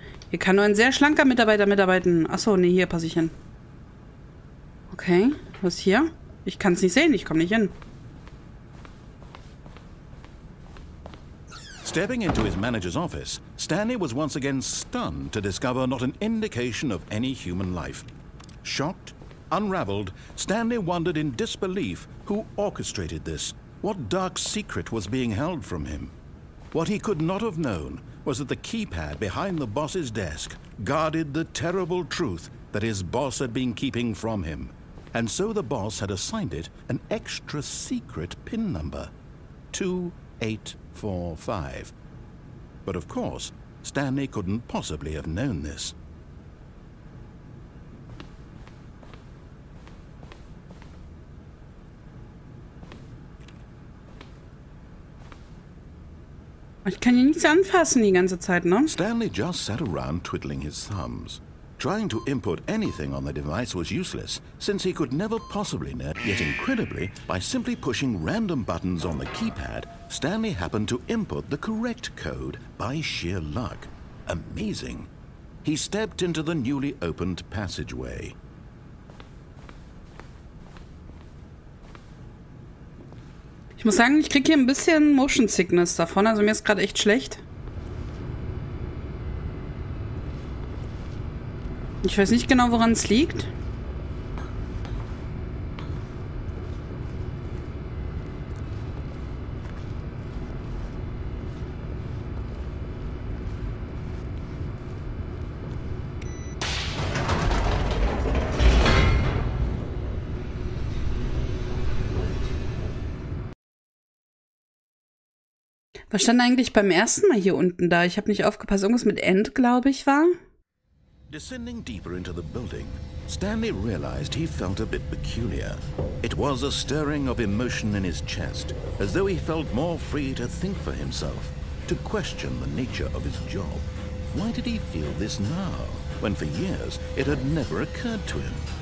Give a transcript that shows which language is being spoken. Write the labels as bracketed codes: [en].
[de] Hier kann nur ein sehr schlanker Mitarbeiter mitarbeiten. Achso, nee, hier passe ich hin. Okay, was hier? Ich kann es nicht sehen, ich komme nicht hin. [en] Stepping into his manager's office, Stanley was once again stunned to discover not an indication of any human life. Shocked, unraveled, Stanley wondered in disbelief who orchestrated this, what dark secret was being held from him. What he could not have known was that the keypad behind the boss's desk guarded the terrible truth that his boss had been keeping from him. And so the boss had assigned it an extra secret PIN number, 2845. But of course, Stanley couldn't possibly have known this. [de] Ich kann hier nichts anfassen die ganze Zeit, ne? [en] Stanley just sat around twiddling his thumbs. Trying to input anything on the device was useless, since he could never possibly know. Yet incredibly, by simply pushing random buttons on the keypad, Stanley happened to input the correct code by sheer luck. Amazing. He stepped into the newly opened passageway. [de] Ich muss sagen, ich kriege hier ein bisschen Motion Sickness davon, also mir ist gerade echt schlecht. Ich weiß nicht genau, woran es liegt. Was stand eigentlich beim ersten Mal hier unten da? Ich habe nicht aufgepasst. Irgendwas mit End, glaube ich, war. [en] Descending deeper into the building, Stanley realized he felt a bit peculiar. It was a stirring of emotion in his chest, as though he felt more free to think for himself, to question the nature of his job. Why did he feel this now, when for years it had never occurred to him?